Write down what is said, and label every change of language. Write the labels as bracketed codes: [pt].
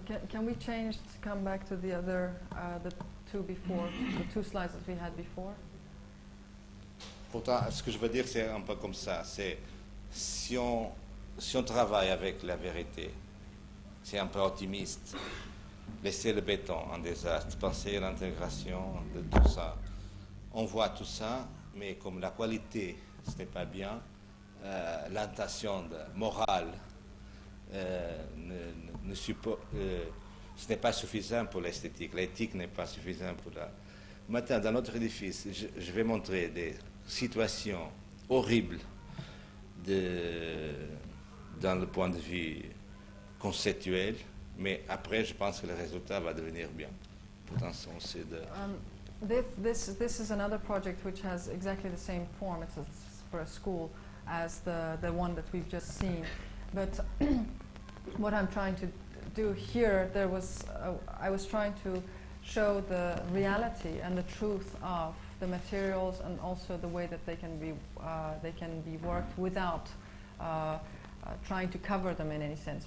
[en] Can we change to come back to the other, the two before, the two slides that we had before? [fr] Pourtant, ce que je veux dire, c'est un peu comme ça. C'est si on travaille avec la vérité, c'est un peu optimiste. Laisser le béton en désastre, penser à l'intégration de tout ça. On voit tout ça, mais comme la qualité, ce n'est pas bien, l'intention morale, ce n'est pas suffisant pour l'esthétique. L'éthique n'est pas suffisant pour Maintenant, dans notre édifice, je vais montrer des situations horribles dans le point de vue conceptuel, mais après, je pense que le résultat va devenir bien. Pourtant, c'est de... [en] This is another project which has exactly the same form. It's for a school as the one that we've just seen. But what I'm trying to do here, I was trying to show the reality and the truth of the materials, and also the way that they can be worked without trying to cover them in any sense.